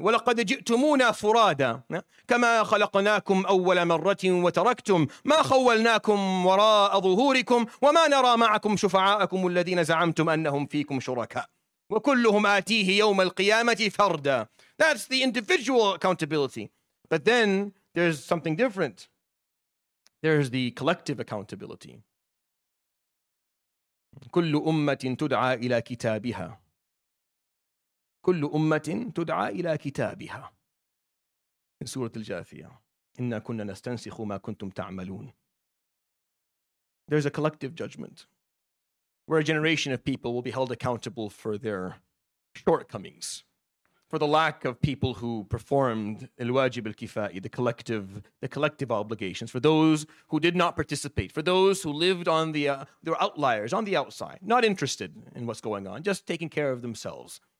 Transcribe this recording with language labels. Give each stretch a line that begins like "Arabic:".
Arabic: وَلَقَدْ جِئْتُمُونَا فُرَادًا كَمَا خَلَقْنَاكُمْ أَوَّلَ مَرَّةٍ وَتَرَكْتُمْ مَا خَوَّلْنَاكُمْ وَرَاءَ ظُهُورِكُمْ وَمَا نَرَى مَعَكُمْ شُفَعَاءَكُمُ الَّذِينَ زَعَمْتُمْ أَنَّهُمْ فِيكُمْ شُرَكَاءَ وَكُلُّهُمْ آتِيهِ يَوْمَ الْقِيَامَةِ فَرْدًا.
English: That's the individual accountability. But then there's something different. There's the collective accountability.
Arabic: كُلُّ أُمَّةٍ تُدْعَى إِلَى كِتَابِهَا كل أمة تدعى إلى كتابها. من سورة الجاثية. إنا كنا نستنسخ ما كنتم تعملون.
English: There's a collective judgment where a generation of people will be held accountable for their shortcomings, for the lack of people who performed الواجب الكفائي, the collective obligations, for those who did not participate, for those who lived on the they were outliers on the outside, not interested in what's going on, just taking care of themselves.